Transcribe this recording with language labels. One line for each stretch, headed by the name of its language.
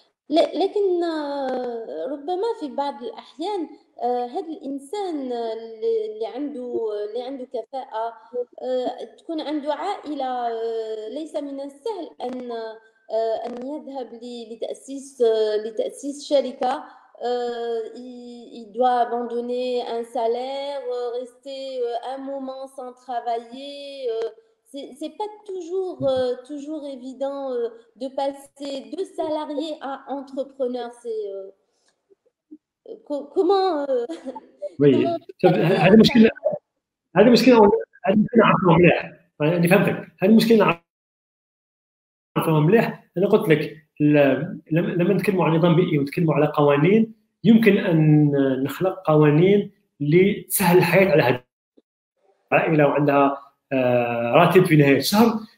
Arabic: لكن ربما في بعض الأحيان هذا الإنسان اللي عنده كفاءة تكون عنده عائلة، ليس من السهل أن يذهب لتأسيس شركة.
French: Il doit abandonner un salaire, rester un moment sans travailler. C'est pas toujours évident de passer de salarié à entrepreneur. C'est comment وي comment
Arabic: هذه مشكله، هذه مشكله، هذه مشكله عرفتها مليح، يعني فهمتك، هذه مشكله عرفتها مليح. انا قلت لك لما نتكلموا عن نظام بيئي ونتكلموا على قوانين، يمكن ان نخلق قوانين لتسهل الحياه على هذه العائله وعندها راتب في نهايه الشهر.